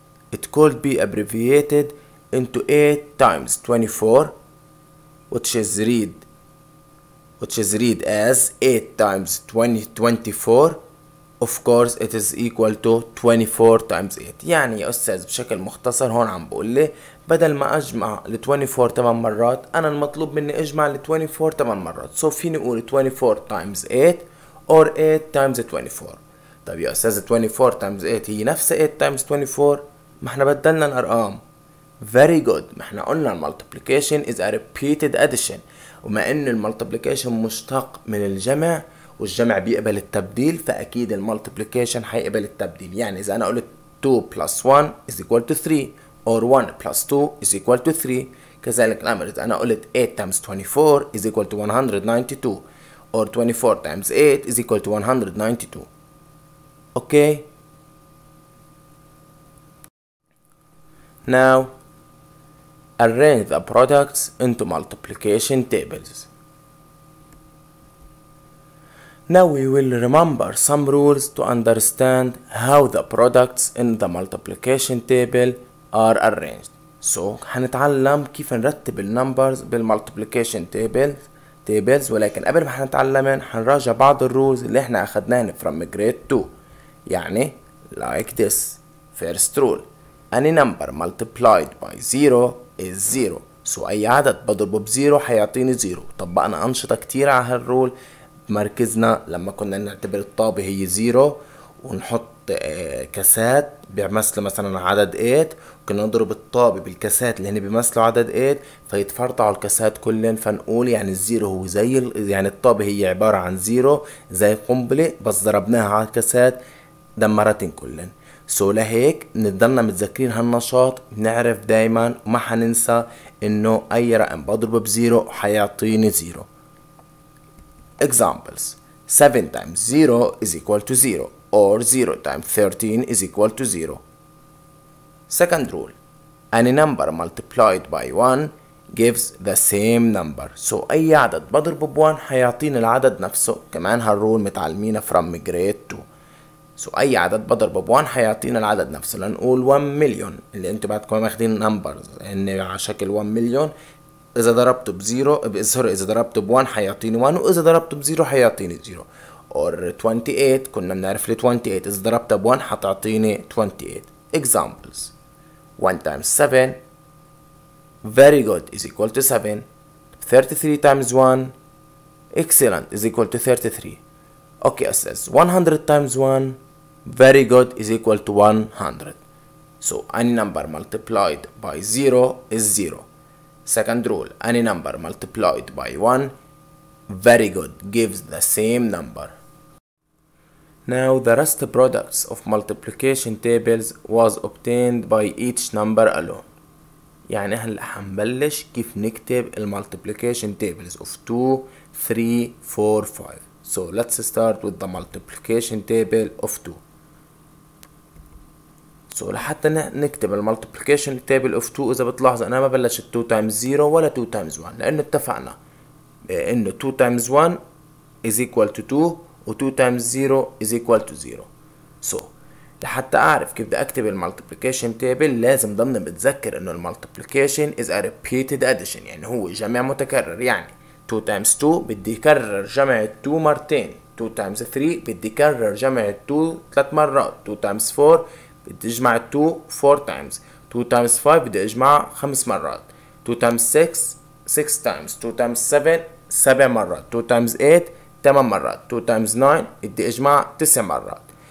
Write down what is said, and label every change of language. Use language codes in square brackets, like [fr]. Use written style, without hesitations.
[en] It could be abbreviated into 8 times 24, which is read as 8 times 24. Of course it is equal to 24 times 8. [ar] يعني يا أستاذ بشكل مختصر هون عم بقول لي بدل ما أجمع ل 24 8 مرات أنا المطلوب مني أجمع ل 24 8 مرات. [en] So [ar] فيني أقول [en] 24 times 8 or 8 times 24. [ar] طيب يا أستاذ [en] 24 times 8 [ar] هي نفس [en] 8 times 24؟ [ar] ما احنا بدلنا الأرقام. [en] Very good. [ar] ما احنا قلنا [en] multiplication is a repeated addition. [ar] وما إن multiplication مشتق من الجمع والجمع بيقبل التبديل فأكيد المالتبليكيشن حيقبل التبديل. يعني إذا أنا قلت [en] 2 plus 1 is equal to 3 or 1 plus 2 is equal to 3 [ar] كذلك الأمر. [en] إذا أنا قلت 8 times 24 is equal to 192 or 24 times 8 is equal to 192. Okay. Now arrange the products into multiplication tables. Now we will remember some rules to understand how the products in the multiplication table are arranged. [ar] So حنتعلم كيف نرتب النمبرز بالmultiplication tables، ولكن قبل ما حنتعلمهن حنراجع بعض الرولز اللي احنا اخذناهن [en] from grade 2. [ar] يعني [en] like this. first rule. Any number multiplied by 0 is 0. [ar] So أي عدد بضربه بزيرو حيعطيني 0. طبقنا أنشطة كتير على هالرول بمركزنا لما كنا نعتبر الطابة هي 0 ونحط كاسات بيمثلوا مثلا عدد 8، وكنا نضرب الطابة بالكاسات اللي هن بيمثلوا عدد 8 فيتفرطعوا الكاسات كلهم، فنقول يعني الزيرو هو زي يعني الطابة هي عبارة عن 0 زي قنبلة بس ضربناها على الكاسات دمرتن كلهم. سو لهيك نضلنا متذكرين هالنشاط، بنعرف دايما وما حننسى انه اي رقم بضربه بزيرو حيعطيني زيرو. [en] Examples: 7 times 0 is equal to 0 or 0 times 13 is equal to 0. Second rule: any number multiplied by 1 gives the same number. [ar] So اي عدد بضربه ب 1 حيعطيني العدد نفسه، كمان هالرول متعلمينه [en] from grade 2. [ar] سو اي عدد بضربه ب 1 حيعطينا العدد نفسه، لنقول 1 مليون اللي انتم بعدكم ماخدين نمبرز ان على شكل 1 مليون، اذا ضربته ب 0 سوري اذا ضربته ب 1 حيعطيني 1 واذا ضربته ب 0 حيعطيني 0. اور 28 كنا بنعرف ال 28 اذا ضربته ب 1 حتعطيني 28. [en] Examples: 1 times 7 very good is equal to 7. 33 times 1 excellent is equal to 33. Okay, it says 100 times 1, very good, is equal to 100. So any number multiplied by 0 is 0. Second rule, any number multiplied by 1, very good, gives the same number. Now, the rest products of multiplication tables was obtained by each number alone. [ar] يعني هلا حنبلش كيف نكتب المultiplication tables of 2, 3, 4, 5. [en] So let's start with the multiplication table of 2. [ar] So لحتى نكتب المultiplication [en] table of 2، [ar] إذا بتلاحظ أنا ما بلشت [en] 2 times 0 [ar] ولا 2 times 1، لأنه اتفقنا إنه [en] 2 times 1 is equal to 2 [ar] و [en] 2 times 0 is equal to 0. [ar] So لحتى أعرف كيف بدي أكتب المultiplication table لازم ضمن بتذكر إنه المultiplication [en] is a repeated addition، [ar] يعني هو جمع متكرر. يعني [en] 2 times 2 [ar] بدي كرر جمع 2 مرتين، [en] 2 times 3 [ar] بدي كرر جمع 2 ثلاث مرات، 2 times 4 بدي اجمع 2 4 times، 2 times 5 بدي اجمع 5 مرات، 2 times 6 6 times، 2 times 7 7 مرات، 2 times 8 8 مرات، 2 times 9 بدي اجمع 9 مرات.